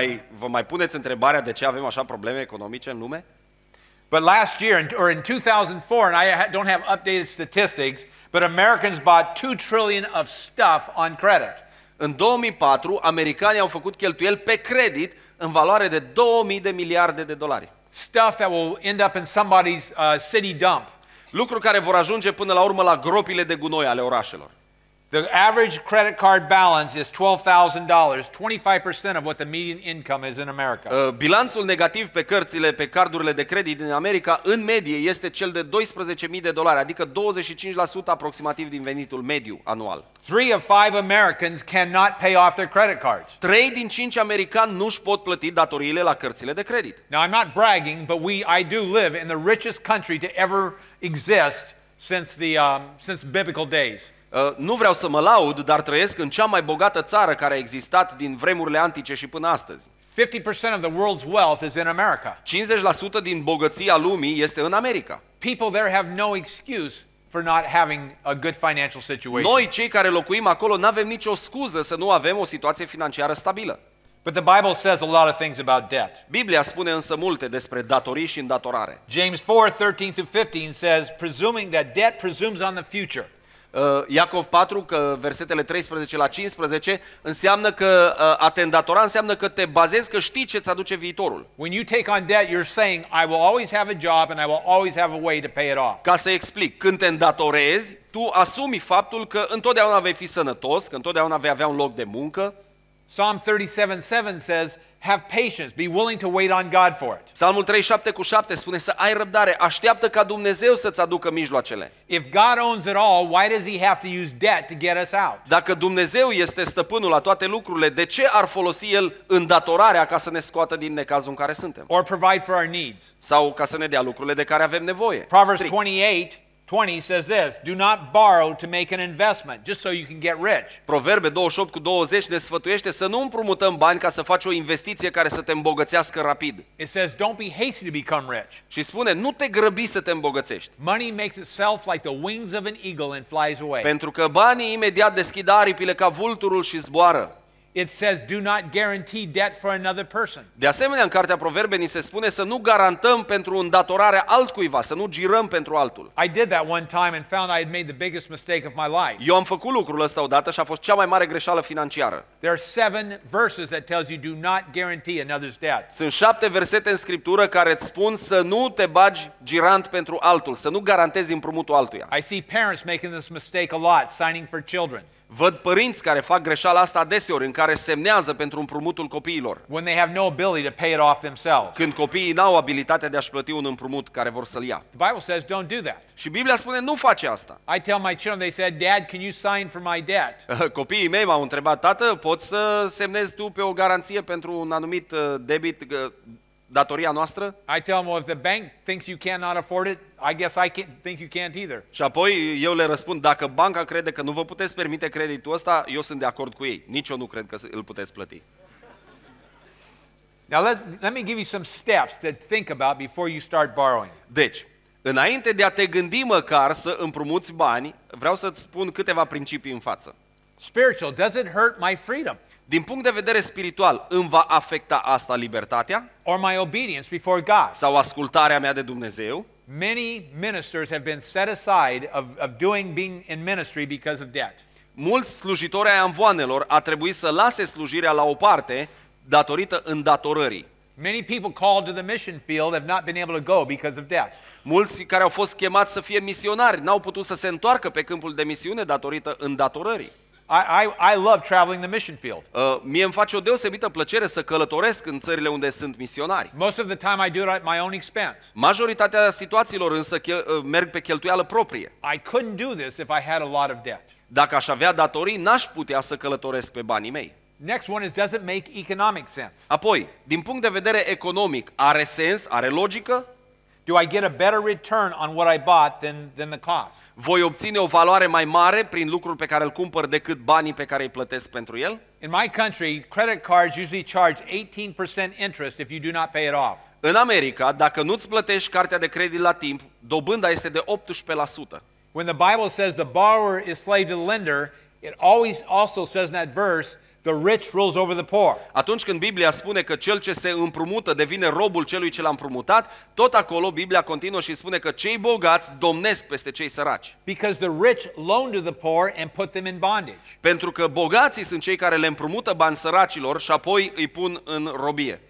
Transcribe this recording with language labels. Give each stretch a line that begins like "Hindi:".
Romanian: Vă mai puneți întrebarea de ce avem așa probleme economice în lume?
English: But last year, or in 2004, and I don't have updated statistics, but Americans bought $2 trillion of stuff on credit.
Romanian: În 2004, americanii au făcut cheltuieli pe credit în valoare de 2000 de miliarde de dolari.
English: Stuff that will end up in somebody's city dump.
Romanian: Lucruri care vor ajunge până la urmă la gropile de gunoi ale orașelor.
English: The average credit card balance is $12,000, 25% of what the median income is in America.
Romanian: Bilanțul negativ pe cărțile, pe cardurile de credit din America, în medie, este cel de $12,000, adică 25% aproximativ din venitul mediu anual.
English: 3 of 5 Americans cannot pay off their credit cards.
Romanian: 3 din 5 americani nu își pot plăti datoriile la cărțile de credit.
English: Now I'm not bragging, but I do live in the richest country to ever exist since biblical days.
Romanian: Nu vreau să mă laud, dar trăiesc în cea mai bogată țară care a existat din vremurile antice și până astăzi.
English: 50% of the world's wealth is in America.
Romanian: 50% din bogăția lumii este în America.
English: People there have no excuse for not having a good financial situation.
Romanian: Noi, cei care locuim acolo, n-avem nicio scuză să nu avem o situație financiară stabilă.
English: But the Bible says a lot of things about debt.
Romanian: Biblia spune însă multe despre datorii și îndatorare.
English: James 4:13-15 says, presuming that debt presumes on the future.
Romanian: Iacov 4, că versetele 13 la 15 înseamnă că a te îndatora înseamnă că te bazezi că știi ce ți aduce viitorul.
English: When you take on debt, you're saying I will always have a job and I will always have a way to pay it off.
Romanian: Ca să explic, când te îndatorezi, tu asumi faptul că întotdeauna vei fi sănătos, că întotdeauna vei avea un loc de muncă.
English: Psalm 37:7 says, have patience, be willing to wait on God for it.
Romanian: Psalmul 37:7 spune să ai răbdare, așteaptă ca Dumnezeu să-ți aducă mijloacele.
English: If God owns it all, why does he have to use debt to get us out?
Romanian: Dacă Dumnezeu este stăpânul la toate lucrurile, de ce ar folosi el îndatorarea ca să ne scoată din necazul în care suntem?
English: Or provide for our needs.
Romanian: Sau ca să ne dea lucrurile de care avem nevoie.
English: Proverbs 28:20 says this, do not borrow to make an investment just so you can get rich.
Romanian: Proverbe 28:20 ne sfătuiește să nu împrumutăm bani ca să faci o investiție care să te îmbogățească rapid.
English: It says don't be hasty to become rich.
Romanian: Și spune nu te grăbi să te îmbogățești.
English: Money makes itself like the wings of an eagle and flies away.
Romanian: Pentru că banii imediat deschid aripile ca vulturul și zboară.
English: It says do not guarantee debt for another person.
Romanian: De asemenea, în cartea Proverbe ni se spune să nu garantăm pentru îndatorarea altcuiva, să nu girăm pentru altul.
English: I did that one time and found I had made the biggest mistake of my life.
Romanian: Eu am făcut lucrul ăsta odată și a fost cea mai mare greșeală financiară.
English: There are 7 verses that tells you do not guarantee another's debt.
Romanian: Sunt 7 versete în Scriptură care îți spun să nu te bagi girant pentru altul, să nu garantezi împrumutul altuia.
English: I see parents making this mistake a lot, signing for children.
Romanian: Văd părinți care fac greșeala asta adeseori, în care semnează pentru împrumutul copiilor.
English: When they have no ability to pay it off themselves.
Romanian: Când copiii n-au abilitatea de a-și plăti un împrumut care vor să-l ia.
English: The Bible says don't do that.
Romanian: Și Biblia spune nu face asta.
English: I tell my children, they said, Dad, can you sign for my debt?
Romanian: Copiii mei m-au întrebat, tată, poți să semnezi tu pe o garanție pentru un anumit debit, datoria noastră?
English: I tell them, well, if the bank thinks you cannot afford it, I guess I can't think you can't either.
Romanian: Și apoi eu le răspund, dacă banca crede că nu vă puteți permite creditul ăsta, eu sunt de acord cu ei. Nici eu nu cred că îl puteți plăti.
English: Now let me give you some steps to think about before you start borrowing.
Romanian: Deci, înainte de a te gândi măcar să împrumuți bani, vreau să-ți spun câteva principii în față.
English: Spiritual, does it hurt my freedom?
Romanian: Din punct de vedere spiritual, îmi va afecta asta libertatea?
English: Or my obedience before God?
Romanian: Sau ascultarea mea de Dumnezeu?
English: Many ministers have been set aside of doing being in ministry because of debt.
Romanian: Mulți slujitori ai amvoanelor a trebuit să lase slujirea la o parte datorită îndatorării.
English: Many people called to the mission field have not been able to go because of debt.
Romanian: Mulți care au fost chemați să fie misionari n-au putut să se întoarcă pe câmpul de misiune datorită îndatorării.
English: I love traveling the mission field.
Romanian: Mie îmi face o deosebită plăcere să călătoresc în țările unde sunt misionari.
English: Most of the time I do it at my own expense.
Romanian: Majoritatea situațiilor însă merg pe cheltuială proprie.
English: I couldn't do this if I had a lot of debt.
Romanian: Dacă aș avea datorii, n-aș putea să călătoresc pe banii mei.
English: Next one is, does it make economic sense?
Romanian: Apoi, din punct de vedere economic, are sens, are logică?
English: Do I get a better return on what I bought than the cost?
Romanian: Voi obține o valoare mai mare prin lucrul pe care îl cumpăr decât banii pe care îi plătesc pentru el?
English: In my country, credit cards usually charge 18% interest if you do not pay it off.
Romanian: În America, dacă nu-ți plătești cartea de credit la timp, dobânda este de 18%.
English: When the Bible says the borrower is slave to the lender, it always also says in that verse, the rich rules over the poor.
Romanian: Atunci când Biblia spune că cel ce se împrumută devine robul celui ce l-a împrumutat, tot acolo Biblia continuă și spune că cei bogați domnesc peste cei săraci.
English: Because the rich loan to the poor and put them in bondage.
Romanian: Pentru că bogații sunt cei care le împrumută bani săracilor și apoi îi pun în robie.